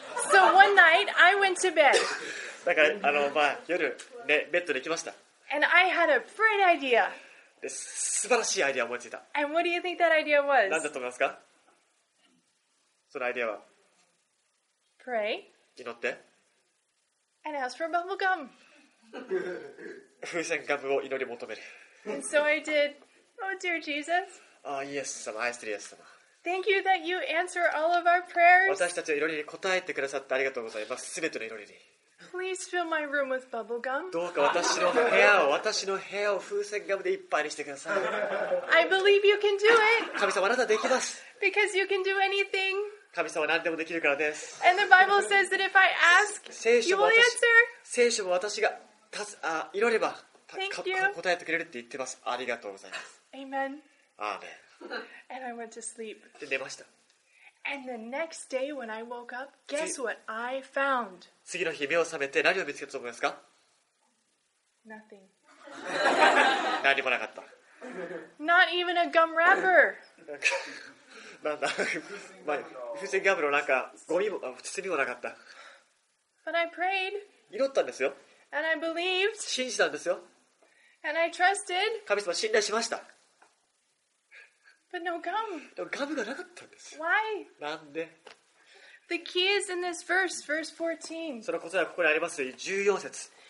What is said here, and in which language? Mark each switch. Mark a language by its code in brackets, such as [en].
[en] So one night I went to bed. [ja] だからまあ夜。ね、ベッドで行きました。 [en] And I had a bright idea. [ja] で、素晴らしいアイデアを思いついた。 [en] And what do you think that idea was? [ja] 何だと思いますか？そのアイデアは。 [en] Pray. [ja] 祈って。 [en] And ask for bubble gum. [ja] 風船ガムを祈り求める。 [en] And so I did. Oh, dear Jesus. Ah, yes, some eyes to yes, some. Thank you that you answer all of our prayers. [ja] 私たちの祈りに答えてくださってありがとうございます。すべての祈りに。 [en] Please fill my room with bubble gum. [ja] どうか私の部屋を風船ガムでいっぱいにしてください。 [en] I believe you can do it. [ja] 神様、あなたできます。 [en] Because you can do anything. [ja] 神様、何でもできるからです。 [en] And the Bible says that if I ask, you will answer. [ja] 聖書も私が祈れば、 [en] Thank you. [ja] 答えてくれるって言ってます。ありがとうございます。 [en] Amen. Amen. And I went to sleep. [ja] で、寝ました。 [en] And the next day when I woke up, guess what I found? [ja] 次の日目を覚めて何を見つけたと思いますか？ [en] Nothing. [ja] 何もなかった。 [en] Not even a gum wrapper. [ja] なんだ、まあ、風船ガムのなんかゴミも包みもなかった。 [en] But I prayed. [ja] 祈ったんですよ。 [en] And I believed. [ja] 信じたんですよ。 [en] And I trusted. [ja] 神様信頼しました。 [en] But no gum. [ja] でもガムがなかったんです。 [en] Why? [ja] なんで？ [en] The key is in this verse, verse 14. [ja] その答えはここにあります、14節。